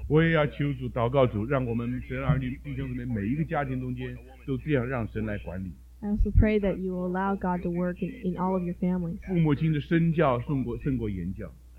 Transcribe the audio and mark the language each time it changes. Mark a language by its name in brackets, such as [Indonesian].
[Chinese] 我也要求主祷告主，让我们神儿女弟兄姊妹每一个家庭中间都这样让神来管理。 [English] I also pray that you will allow God to work in all of your families. [Chinese] 父母亲的身教胜过言教。